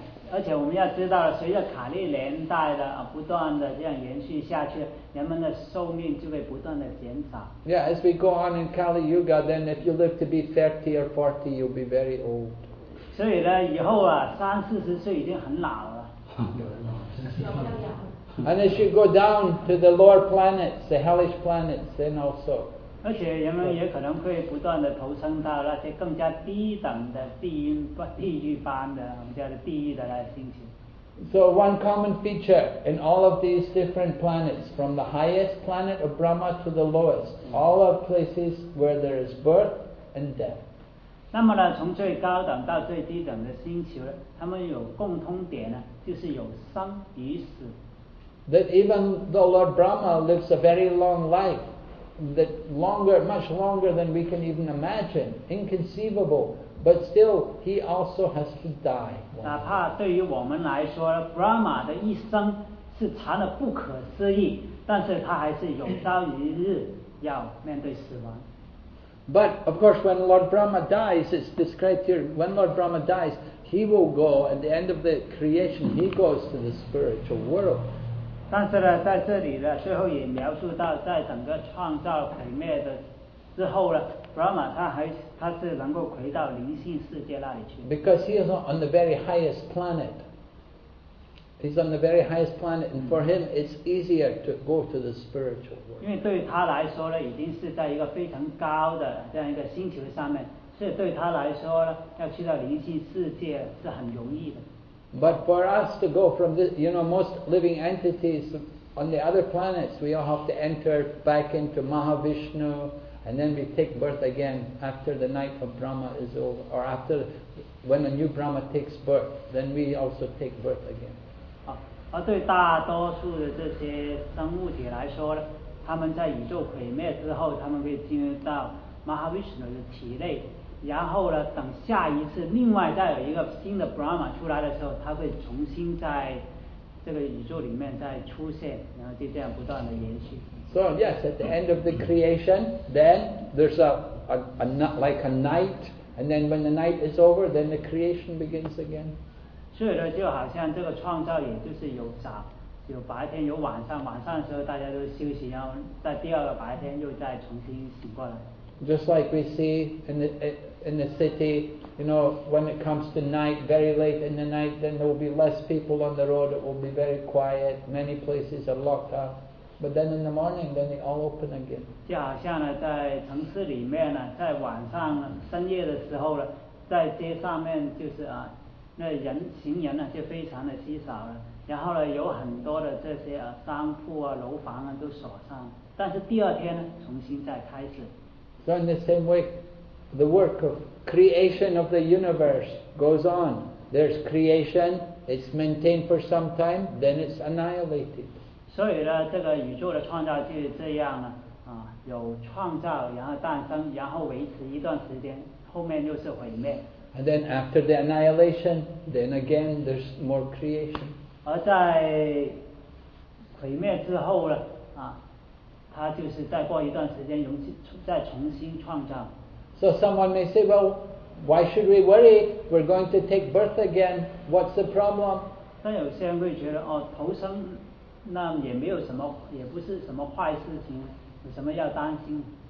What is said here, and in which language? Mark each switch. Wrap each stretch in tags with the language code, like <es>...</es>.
<zh>而且我们要知道了，随着卡利年代的不断的这样延续下去，人们的寿命就会不断的减少。</zh> <en>Yeah, as we go on in Kali Yuga, then if you live to be 30 or 40, you'll be very old.</en> <zh>所以呢，以后啊，三四十岁已经很老了。</zh> <en>And as you go down to the lower planets, the hellish planets, then also.</en> <zh>而且人们也可能会不断的投生到那些更加低等的地狱般的我们叫做地狱的那个星球。</zh> <en>So one common feature in all of these different planets, from the highest planet of Brahma to the lowest, all are places where there is birth and death.</en> <zh>那么呢，从最高等到最低等的星球，它们有共通点呢，就是有生与死。</zh> <en>That even though Lord Brahma lives a very long life, that longer, much longer than we can even imagine, inconceivable. But still, he also has to die.</en> <zh>哪怕对于我们来说 ，Brahma 的一生是长的不可思议，但是他还是有朝一日要面对死亡。</zh> <en>But of course, when Lord Brahma dies, it's described here. When Lord Brahma dies, he will go at the end of the creation. He goes to the spiritual world.</en> <zh>但是呢，在这里呢，最后也描述到，在整个创造毁灭的之后呢。 Brahma 他是能够回到灵性世界那里去。</zh> <en>Because he is on the very highest planet. He's on the very highest planet, and for him it's easier to go to the spiritual world.</en> <zh>因为对他来说呢，已经是在一个非常高的这样一个星球上面，所以对他来说呢，要去到灵性世界是很容易的。</zh> <en>But for us to go from this, you know, most living entities on the other planets, we all have to enter back into Mahavishnu. And then we take birth again after the night of Brahma is over, or after when a new Brahma takes birth, then we also take birth again.</en> <zh>而对大多数的这些生物体来说，他们在宇宙毁灭之后，他们会进入到 Mahavishnu 的体内，然后呢，等下一次另外再有一个新的 Brahma 出来的时候，他会重新在这个宇宙里面再出现，然后就这样不断的延续。</zh> <en>So yes, at the end of the creation, then there's a like a night, and then when the night is over, then the creation begins again.</en> <zh>睡了就好像这个创造也就是有早有白天有晚上，晚上的时候大家都休息，然后在第二个白天又再重新醒过来。</zh> <en>Just like we see in the city, you know, when it comes to night, very late in the night, then there will be less people on the road, it will be very quiet, many places are locked up. But then in the morning, then they all open again.</en> <zh>就好像呢，在城市里面呢，在晚上深夜的时候呢，在街上面就是啊，那人行人呢就非常的稀少了，然后呢有很多的这些啊商铺啊楼房啊都锁上，但是第二天呢重新再开始。</zh> <en>So in the same way, the work of creation of the universe goes on. There's creation, it's maintained for some time, then it's annihilated.</en> <zh>所以呢，这个宇宙的创造就是这样啊，有创造，然后诞生，然后维持一段时间，后面又是毁灭。</zh> <en>And then after the annihilation, then again there's more creation.</en> <zh>而在毁灭之后呢，它就是再过一段时间容器再重新创造。</zh> <en>So someone may say, well, why should we worry? We're going to take birth again. What's the problem?</en> <zh>但有些人会觉得，哦，投生那也没有什么，也不是什么坏事情，有什么要担心？</zh>